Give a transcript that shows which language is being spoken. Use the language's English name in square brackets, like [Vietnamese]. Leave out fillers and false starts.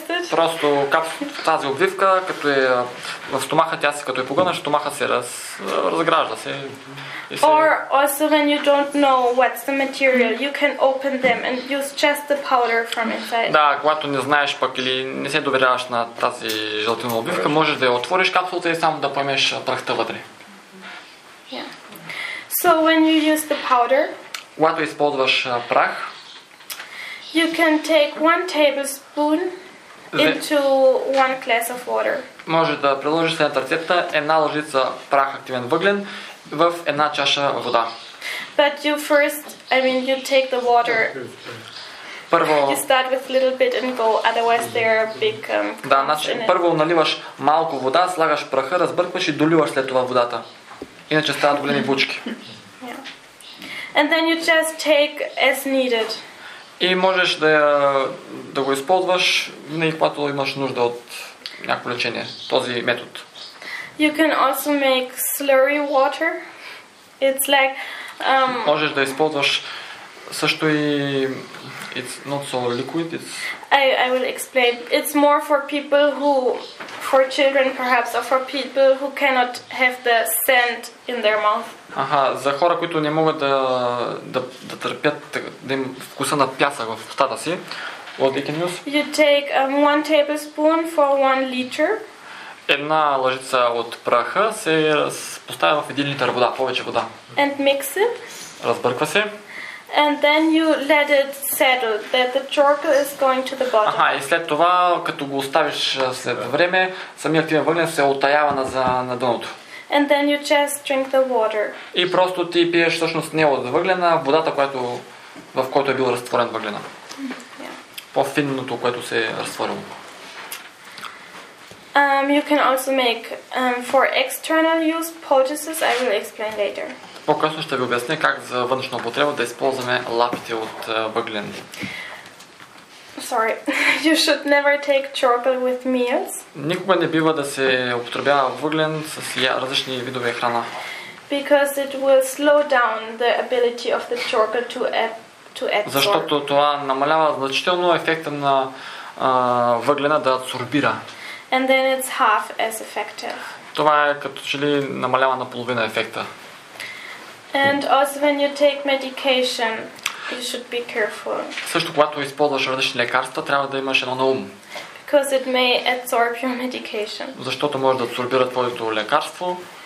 [Bulgarian] Просто тази обвивка, като е в стомаха, тя се като е погънаш, стомаха се разгражда се. [English] Or also when you don't know what's the material, you can open them and use just the powder from inside. [Bulgarian] Да, когато не знаеш пък или не се доверяваш на тази жълтина обвивка, можеш да я отвориш капсулата и само да поемеш прахта вътре. [English] So when you use the powder, [Bulgarian] когато използваш прах, [English] you can take 1 tablespoon into 1 glass of water. [Bulgarian] Може да приложиш следната рецепта, една ложица прах активен въглен в една чаша вода. [English] But you first, you take the water. [Bulgarian] Първо [English] you start with little bit and go, otherwise there are big [Bulgarian] първо наливаш малко вода, слагаш праха, разбъркваш и доливаш след това водата. Иначе стават големи бучки. [English] Yeah. And then you just take as needed. [Bulgarian] И можеш да го използваш, не и когато имаш нужда от някакво лечение, този метод. [English] You can also make slurry water. It's like, [Bulgarian] можеш да използваш също и [English] it's not so liquid, it's I will explain. It's more for people who for children perhaps or for people who cannot have the scent in their mouth. [Bulgarian] Аха, за хора, които не могат да търпят да им вкуса на пясък в устата си. [English] What they can use? You take 1 tablespoon for 1 liter. [Bulgarian] Една лъжица от праха се поставя в 1 литър вода, повече вода. [English] And mix it. [Bulgarian] Разбърква се. [English] And then you let it settle that the charcoal is going to the bottom. [Bulgarian] Аха, и след това, като го оставиш след време, самият активен въглен се оттаява на дъното. [English] And then you just drink the water. [Bulgarian] И просто ти пиеш всъщност не от въглена, а водата, която в който е бил разтворен въглена. [English] Yeah. [Bulgarian] По-финното, което се е разтворило. [English] You can also make for external use poultices, I will explain later. [Bulgarian] По-късно ще ви обясня как за външна употреба да използваме лапите от въглен. [English] Sorry, you should never take charcoal with meals. [Bulgarian] Никога не бива да се употребява въглен с различни видове храна. [English] Because it will slow down the ability of the charcoal to absorb. [Bulgarian] Защото това намалява значително ефекта на въглена да абсорбира. [English] And then it's half as effective. [Bulgarian] Това е като че ли намалява наполовина ефекта. [English] And also when you take medication, you should be careful. [Bulgarian] Също когато използваш различни лекарства, трябва да имаш едно на ум. [English] Because it may absorb your medication. [Bulgarian] Защото може да абсорбира твоето лекарство.